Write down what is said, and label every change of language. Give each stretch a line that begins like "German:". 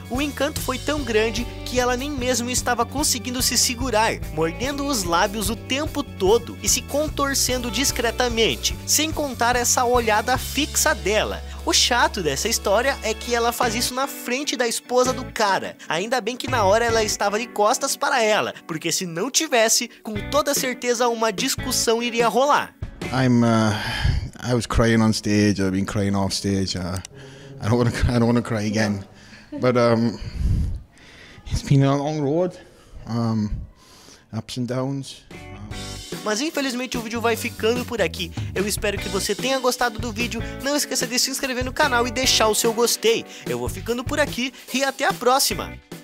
Portuguese: O encanto foi tão grande que ela nem mesmo estava conseguindo se segurar, mordendo os lábios o tempo todo e se contorcendo discretamente, sem contar essa olhada fixa dela. O chato dessa história é que ela faz isso na frente da esposa do cara. Ainda bem que na hora ela estava de costas para ela, porque se não tivesse, com toda certeza uma discussão iria rolar.
English: I was crying on stage, I've been crying off stage. I don't want to cry again. But it's been a long road, ups and downs.
Portuguese: Mas infelizmente o vídeo vai ficando por aqui. Eu espero que você tenha gostado do vídeo. Não esqueça de se inscrever no canal e deixar o seu gostei. Eu vou ficando por aqui e até a próxima.